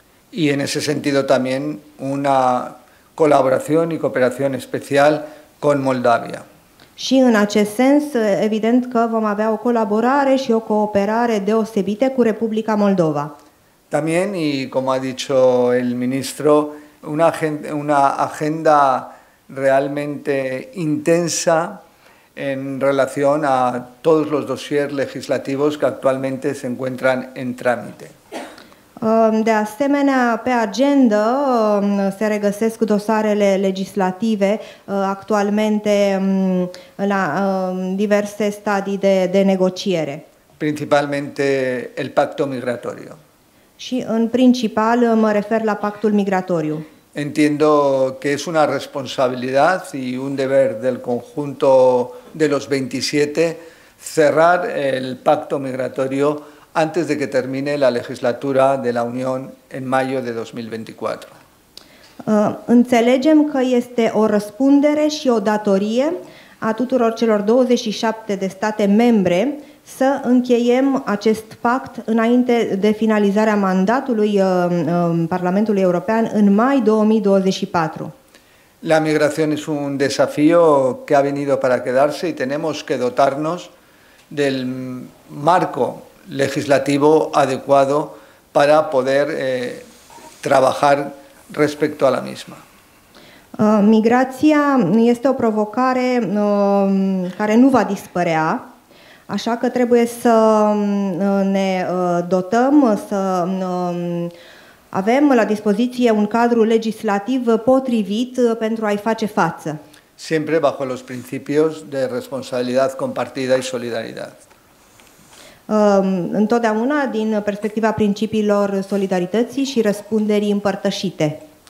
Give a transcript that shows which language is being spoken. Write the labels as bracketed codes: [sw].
[es] Y en ese sentido también una colaboración y cooperación especial con Moldavia. [ro] Și în acest sens, evident că vom avea o colaborare și o cooperare deosebite cu Republica Moldova. [es] También, y como ha dicho el ministro, una agenda realmente intensa en relación a todos los dosieres legislativos que actualmente se encuentran en trámite. [ro] De asemenea, pe agendă se regăsesc dosarele legislative actualmente la diverse stadii de negociere. [es] Principalmente el pacto migratorio. [ro] Și în principal mă refer la pactul migratoriu. [es] Entiendo que es una responsabilidad y un deber del conjunto de los 27 cerrar el pacto migratorio antes de que termine la legislatura de la Unión en mayo de 2024. [ro] Înțelegem că este o răspundere și o datorie a tuturor celor 27 de state membre să încheiem acest pact înainte de finalizarea mandatului Parlamentului European în mai 2024. [es] La migración es un desafío que ha venido para quedarse y tenemos que dotarnos del marco legislativo adecuado para poder trabajar respecto a la misma. [ro] Migrația este o provocare care nu va dispărea, așa că trebuie să ne dotăm, să avem la dispoziție un cadru legislativ potrivit pentru a-i face față. [es] Siempre bajo los principios de responsabilidad compartida y solidaridad. [ro] Întotdeauna din perspectiva principiilor solidarității și răspunderii împărtășite.